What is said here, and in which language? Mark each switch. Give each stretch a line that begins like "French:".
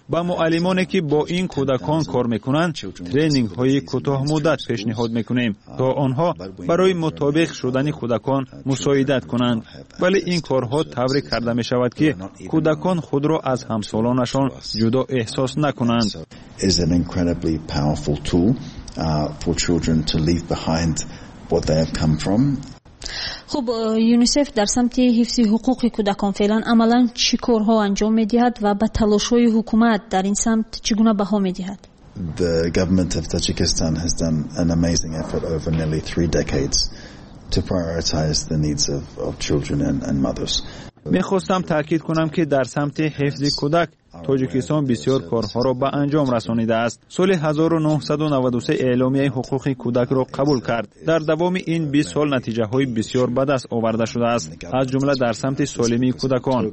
Persian: با معلمانی که با این کودکان کار میکنند تریننگ های کوتاه مدت پیشنهاد میکنیم تا آنها برای مطابق شدن کودکان مساعدت کنند. ولی این کارها طوری کرده میشود که کودکان خود را از همسالانشان جدا احساس نکنند.
English: Is an incredibly powerful tool for children to leave behind what they have come from.
Persian: خب یونیسف در سمت حفظ حقوق کودکان فعلا عملا چی کارها انجام میدهد و با تلاش های حکومت در این سمت چگونه بها میدهد؟
English: The government of Tajikistan has done an amazing effort over nearly three decades to prioritize the needs of children and mothers.
Persian: میخواستم تاکید کنم که در سمت حفظ کودک تاجیکستان بسیار کارها را به انجام رسانیده است. سال 1993 اعلامیه حقوق کودک را قبول کرد. در دوام این 20 سال نتیجه های بسیار بد است آورده شده است، از جمله در سمت سالمی کودکان.